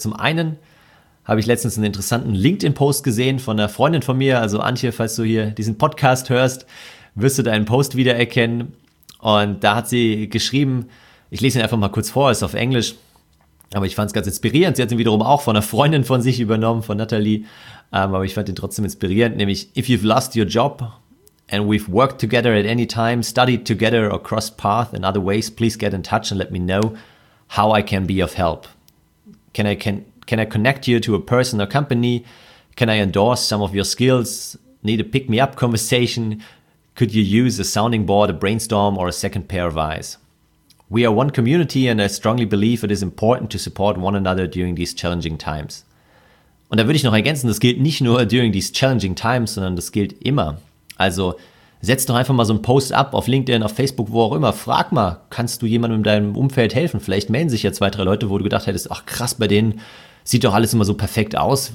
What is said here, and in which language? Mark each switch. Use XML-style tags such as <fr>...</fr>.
<de>Zum einen habe ich letztens einen interessanten LinkedIn-Post gesehen von einer Freundin von mir. Also Antje, falls du hier diesen Podcast hörst, wirst du deinen Post wiedererkennen. Und da hat sie geschrieben, ich lese ihn einfach mal kurz vor, ist auf Englisch, aber ich fand es ganz inspirierend. Sie hat ihn wiederum auch von einer Freundin von sich übernommen, von Natalie. Aber ich fand ihn trotzdem inspirierend, nämlich</de> <en>if you've lost your job and we've worked together at any time, studied together or crossed paths in other ways, please get in touch and let me know how I can be of help. Can I connect you to a person or company? Can I endorse some of your skills? Need a pick-me-up conversation? Could you use a sounding board, a brainstorm, or a second pair of eyes? We are one community and I strongly believe it is important to support one another during these challenging times.</en> <de>Und da würde ich noch ergänzen, das gilt nicht nur</de> <en>during these challenging times,</en> <de>sondern das gilt immer. Also setz doch einfach mal so einen Post ab auf LinkedIn, auf Facebook, wo auch immer. Frag mal, kannst du jemandem in deinem Umfeld helfen? Vielleicht melden sich ja 2, 3 Leute, wo du gedacht hättest, ach krass, bei denen sieht doch alles immer so perfekt aus.</de>